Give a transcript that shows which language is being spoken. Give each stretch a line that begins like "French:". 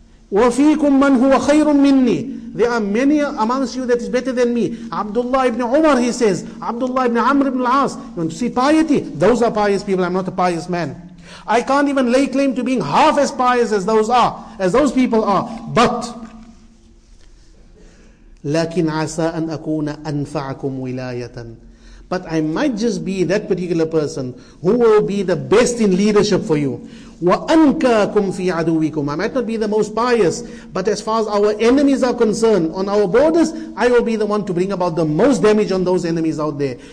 Arabic: وَفِيكُمْ مَنْ هُوَ خَيْرٌ مِّنِّي.
English: There are many amongst you that is better than me. Abdullah ibn Umar, he says, Abdullah ibn Amr ibn al-As. You want to see piety? Those are pious people, I'm not a pious man. I can't even lay claim to being half as pious as those are, as those people are.
Arabic: But لكن عسى أن أكون أنفعكم ولاية.
English: But I might just be that particular person who will be the best in leadership for you.
Arabic: وأنكاكم في عدوكم.
English: I might not be the most pious, but as far as our enemies are concerned, on our borders, I will be the one to bring about the most damage on those enemies out there.